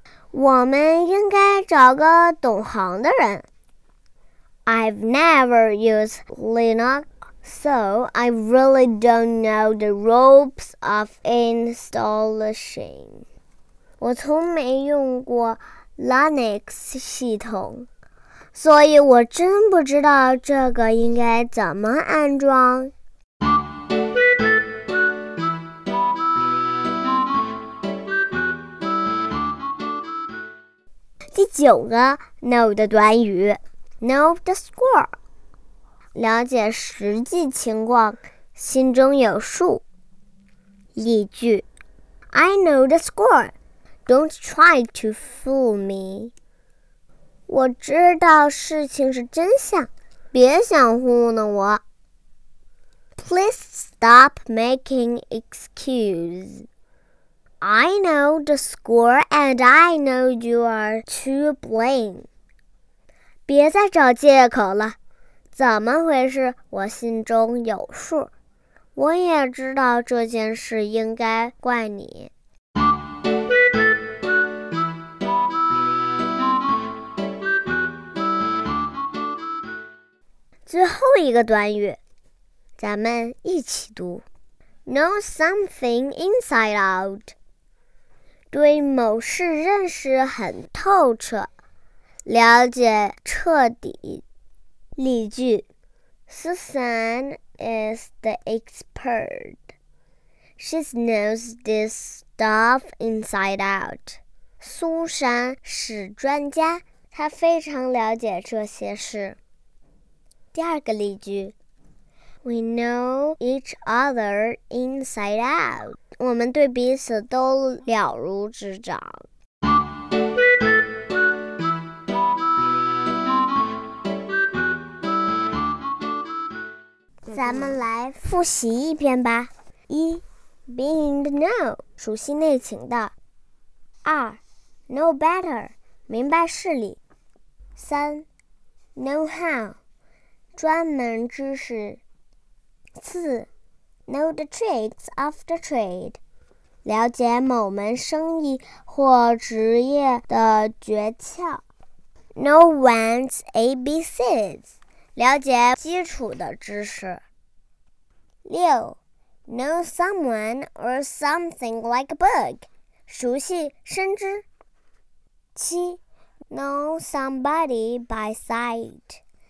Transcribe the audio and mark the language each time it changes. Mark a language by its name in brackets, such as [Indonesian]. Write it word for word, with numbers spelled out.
[Chinese] 我们应该找个懂行的人。 [English] I've never used Linux. So, I really don't know the ropes of installation. [Chinese] 我从没用过 Linux 系统，所以我真不知道这个应该怎么安装。第九个 know 的短语 [English] know the score. [Chinese] 了解实际情况，心中有数。例句 [English] I know the score. Don't try to fool me. [Chinese] 我知道事情是真相，别想糊弄我。 [English] Please stop making excuses. I know the score and I know you are to blame. [Chinese] 别再找借口了。怎么回事？我心中有数，我也知道这件事应该怪你。最后一个短语，咱们一起读 [English] Know something inside out. [Chinese] 对某事认识很透彻，了解彻底。例句 [English] Susan is the expert. She knows this stuff inside out. [Chinese] 苏珊是专家，她非常了解这些事。第二个例句 [English] We know each other inside out. [Chinese] 我们对彼此都了如指掌。咱们来复习一遍吧。 [English] 一 Be in the know [Chinese] 熟悉内情的。二 [English] Know better [Chinese] 明白事理。三 [English] Know how [Chinese] 专门知识。四 [English] Know the tricks of the trade [Chinese] 了解某门生意或职业的诀窍。 [English] Know one's A B Cs [Chinese] 了解基础的知识。 [English] 六 Know someone or something like a book. [Chinese] 熟悉深知。 [English] 七 Know somebody by sight.